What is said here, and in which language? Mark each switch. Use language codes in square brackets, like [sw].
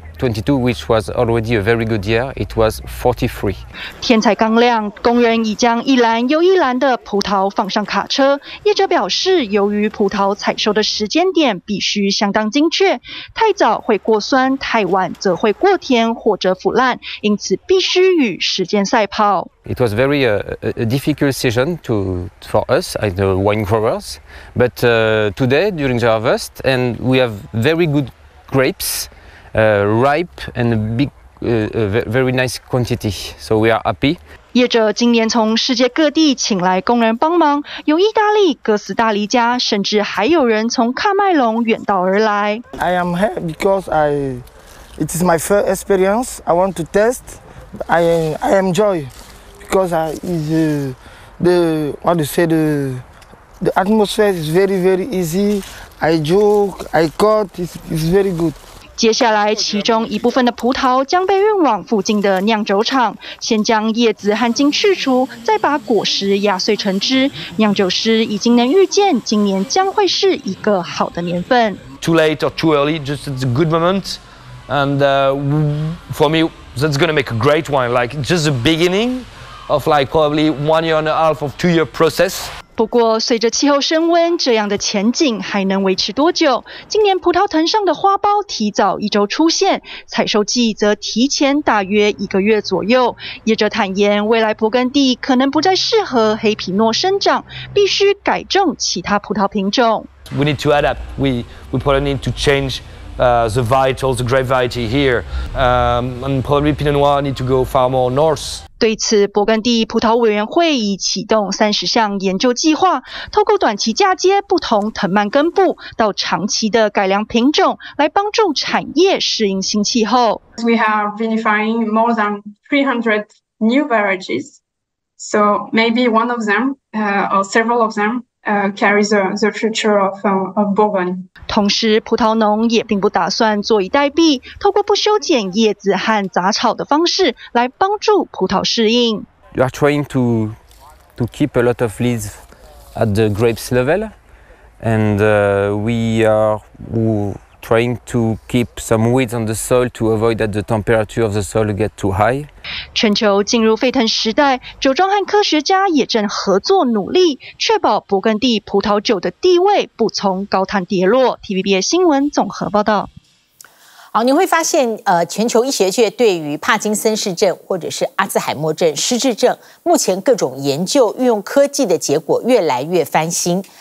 [en] 22, which was already a very good year, it was 43. [zh] 天才刚亮，工人已将一篮又一篮的葡萄放上卡车。业者表示，由于葡萄采收的时间点必须相当精确，太早会过酸，太晚则会过甜或者腐烂，因此必须与时间赛跑。 [en] It was very a difficult season for us as the wine growers, but today during the harvest, and we have very good grapes. Ripe and a big, very nice quantity, so we are happy. [zh] 业者今年从世界各地请来工人帮忙，由意大利、哥斯达黎加，甚至还有人从喀麦隆远道而来。 [en] I am here because it is my first experience. I want to test. I enjoy because the atmosphere is very very easy. I joke, I cut, it's very good. [zh] 接下来，其中一部分的葡萄将被运往附近的酿酒厂，先将叶子和茎去除，再把果实压碎成汁。酿酒师已经能预见，今年将会是一个好的年份。 [en] Too late or too early, just it's a good moment, and for me, that's going to make a great wine. Like just the beginning of like probably 1.5 years of 2-year process. [zh] 不过随着气候升温，这样的前景还能维持多久？今年葡萄藤上的花苞提早一周出现，采收季则提前大约一个月左右。业者坦言，未来勃艮第可能不再适合黑皮诺生长，必须改种其他葡萄品种。 [en] We need to adapt. We probably need to change the varietals, the grape variety here. And probably Pinot Noir need to go far more north. [zh] 对此，勃艮第葡萄委员会已启动30项研究计划，透过短期嫁接不同藤蔓根部，到长期的改良品种，来帮助产业适应新气候。 [en] We are vinifying more than 300 new varieties, so maybe one of them, or several of them. Carries the future of Bourbon. [zh] 同时，葡萄农也并不打算坐以待毙，透过不修剪叶子和杂草的方式来帮助葡萄适应。 [en] You are trying to keep a lot of leaves at the grapes level, and we are trying to keep some weeds on the soil to avoid that the temperature of the soil get too high. [zh] 全球进入沸腾时代，酒庄和科学家也正合作努力，确保勃艮第葡萄酒的地位不从高潭跌落。 TVBS 新闻综合报道。好，你会发现，全球医学界对于帕金森氏症或者是阿兹海默症、失智症，目前各种研究运用科技的结果越来越翻新。